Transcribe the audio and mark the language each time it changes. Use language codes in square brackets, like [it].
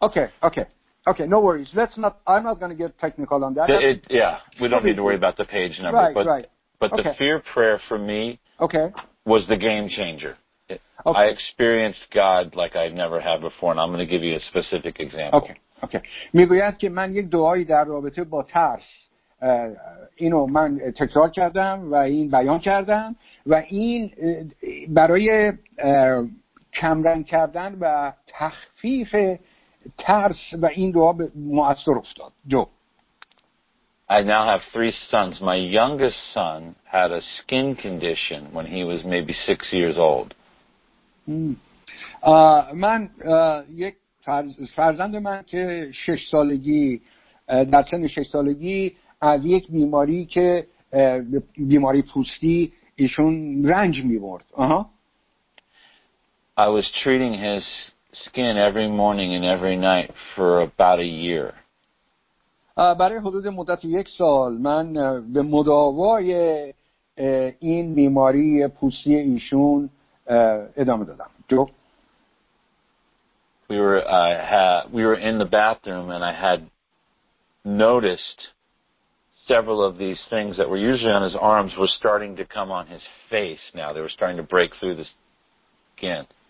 [en] Okay, no worries. I'm not going to get technical on that. We don't need to worry about the page number. Right, but, right. But okay. The fear prayer for me okay. was the game changer. Okay. I experienced God like I've never had before, and I'm going to give you a specific example. Okay. [fa] میگوید که من یک دعایی در رابطه با ترس. اینو من تکرار کردم و این بیان کردم و این برای کمرنگ کردن و تخفیف ترس و این دعا مؤثر افتاد. جو [en] I now have three sons. My youngest son had a skin condition when he was maybe 6 years old. [fa] من یک فرزند من که 6 سالگی در سن 6 سالگی از یک بیماری که بیماری پوستی ایشون رنج می‌برد. [en] I was treating his skin every morning and every night for about a year. [fa] برای حدود مدت یک سال من به مداوای این بیماری پوستی ایشون ادامه دادم. [en] We were in the bathroom and I had noticed several of these things that were usually on his arms were starting to come on his face now. They were starting to break through the skin.